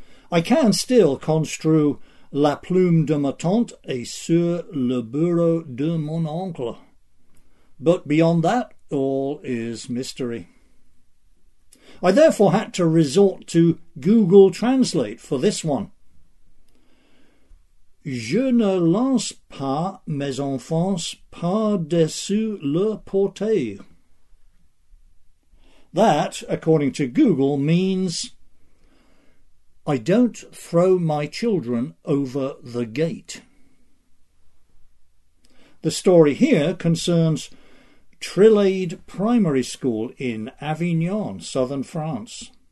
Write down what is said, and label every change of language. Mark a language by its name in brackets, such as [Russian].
[English] I can still construe La plume de ma tante et sur le bureau de mon oncle, but beyond that, all is mystery. I therefore had to resort to Google Translate for this one. [French] Je ne lance pas mes enfants par-dessus le portail. [English] That, according to Google, means I don't throw my children over the gate. The story here concerns Trillade Primary School in Avignon, southern France.